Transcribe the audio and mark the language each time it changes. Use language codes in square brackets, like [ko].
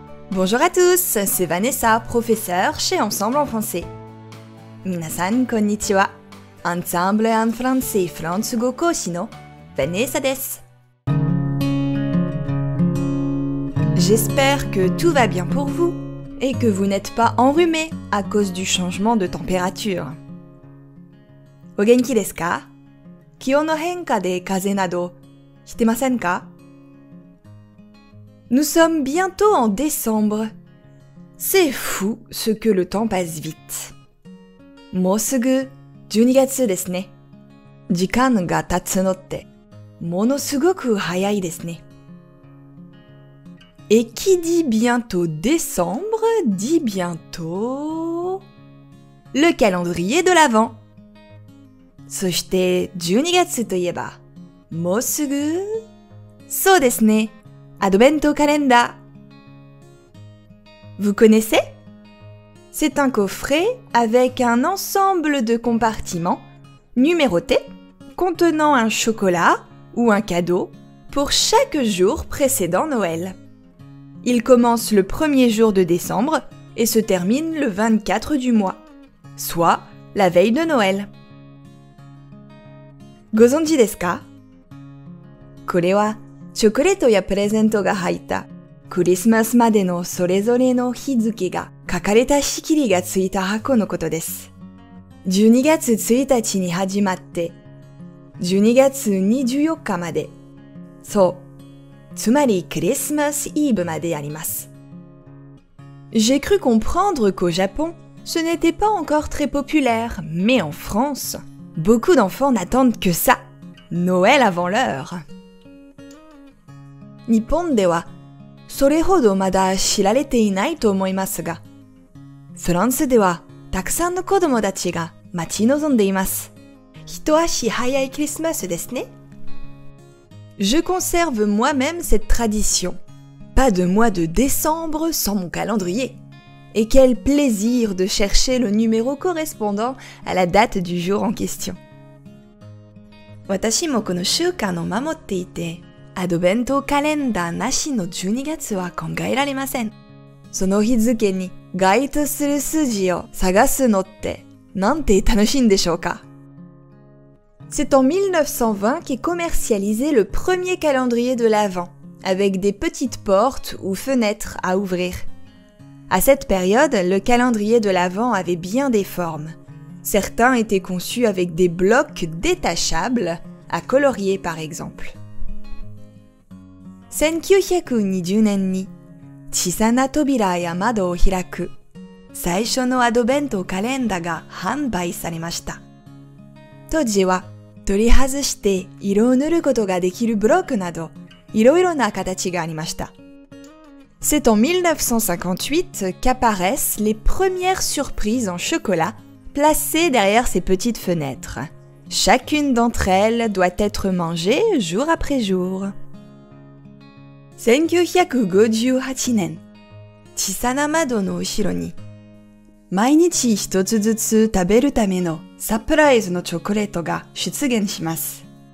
[fr] Bonjour à tous, c'est Vanessa, professeur chez Ensemble en français. [ja] 皆さんこんにちは。アンサンブルアンフランセフランス語講師の Vanessa です。 [fr] J'espère que tout va bien pour vous et que vous n'êtes pas enrhumé à cause du changement de température. [ja] お元気ですか? 気温の変化で風邪などしてませんか? [fr] Nous sommes bientôt en décembre. C'est fou ce que le temps passe vite. [ja] もうすぐ12月ですね。時間が経つのってものすごく早いですね。 [fr] Et qui dit bientôt décembre dit bientôt le calendrier de l'Avent. [ja] そして12月といえばもうすぐ。そうですね。アドベントカレンダー。 [fr] Vous connaissez? C'est un coffret avec un ensemble de compartiments numérotés contenant un chocolat ou un cadeau pour chaque jour précédant Noël. Il commence le premier jour de décembre et se termine le 24 du mois, soit la veille de Noël. [ja] ご存知ですか? これはチョコレートやプレゼントが入ったクリスマスまでのそれぞれの日付が書かれた仕切りがついた箱のことです。 12月1日に始まって12月24日まで。そう。つまり、クリスマスイブまであります。 [fr] J'ai cru comprendre qu'au Japon, ce n'était pas encore très populaire, mais en France, beaucoup d'enfants n'attendent que ça, Noël avant l'heure. [ja] 日本では、それほどまだ知られていないと思いますが、フランスでは、たくさんの子供たちが待ち望んでいます。一足早いクリスマスですね。 [fr] Je conserve moi-même cette tradition. Pas de mois de décembre sans mon calendrier. Et quel plaisir de chercher le numéro correspondant à la date du jour en question. [ja] 私もこの習慣を守っていて、アドベントカレンダーなしの12月は考えられません。その日付に該当する数字を探すのって、なんて楽しいんでしょうか? [fr] C'est en 1920 qu'est commercialisé le premier calendrier de l'Avent, avec des petites portes ou fenêtres à ouvrir. À cette période, le calendrier de l'Avent avait bien des formes. Certains étaient conçus avec des blocs détachables, à colorier par exemple. [ja] 1920年に小さな扉や窓を開く最初のアドベントカレンダーが販売されました。当時は取り外して色を塗ることができるブロックなど、いろいろな形がありました。 [fr] C'est en 1958 qu'apparaissent les premières surprises en chocolat placées derrière ces petites fenêtres. Chacune d'entre elles doit être mangée jour après jour. [ja] 1958年、小さな窓の後ろに、毎日一つずつ食べるためのサプライズのチョコレートが出現します。